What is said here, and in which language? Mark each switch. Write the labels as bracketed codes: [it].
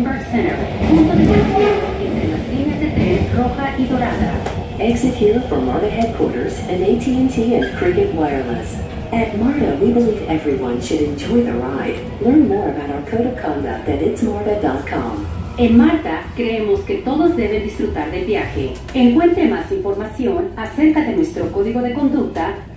[es] Center, punto de conexión entre las líneas de tren roja y dorada. [en] Exit here for MARTA headquarters and AT&T and Cricket Wireless. At MARTA, we believe everyone should enjoy the ride. Learn more about our code of conduct at itsmarta.com. [es] En MARTA, creemos que todos deben disfrutar del viaje. Encuentre más información acerca de nuestro código de conducta.